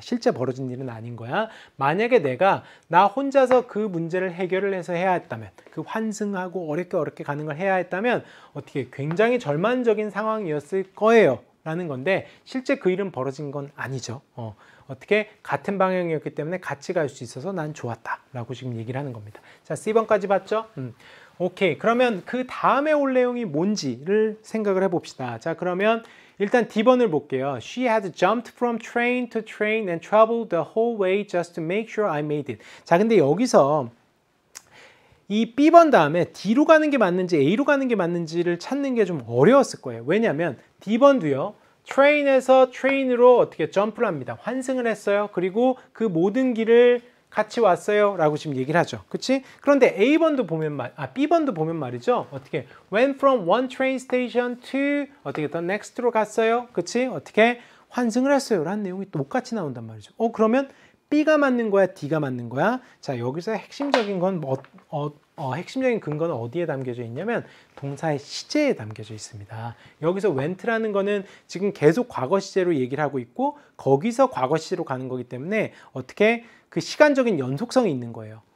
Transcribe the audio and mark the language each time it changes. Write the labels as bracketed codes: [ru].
[ko] 실제 벌어진 일은 아닌 거야. 만약에 내가 나 혼자서 그 문제를 해결을 해서 해야 했다면 그 환승하고 어렵게 가는 걸 해야 했다면 어떻게 굉장히 절망적인 상황이었을 거예요 라는 건데 실제 그 일은 벌어진 건 아니죠. 어떻게 같은 방향이었기 때문에 같이 갈 수 있어서 난 좋았다 라고 지금 얘기를 하는 겁니다. 자, C번까지 봤죠? 오케이. 그러면 그 다음에 올 내용이 뭔지를 생각을 해봅시다. 자, 그러면 일단 D번을 볼게요. [en] She had jumped from train to train and traveled the whole way just to make sure I made it. [ko] 자, 근데 여기서 이 B번 다음에 D로 가는 게 맞는지 A로 가는 게 맞는지를 찾는 게 좀 어려웠을 거예요. 왜냐하면 D번도요. 트레인에서 트레인으로 어떻게 점프를 합니다. 환승을 했어요. 그리고 그 모든 길을 같이 왔어요. 라고 지금 얘기를 하죠. 그치? 그런데 B번도 보면 말이죠. [en] Went from one train station to the next [ko] 로 갔어요. 그치? 환승을 했어요. 라는 내용이 똑같이 나온단 말이죠. 그러면 B가 맞는 거야? D가 맞는 거야? 자, 여기서 핵심적인 건 핵심적인 근거는 어디에 담겨져 있냐면 동사의 시제에 담겨져 있습니다. 여기서 went라는 거는 지금 계속 과거 시제로 얘기를 하고 있고 거기서 과거 시제로 가는 거기 때문에 어떻게 그 시간적인 연속성이 있는 거예요.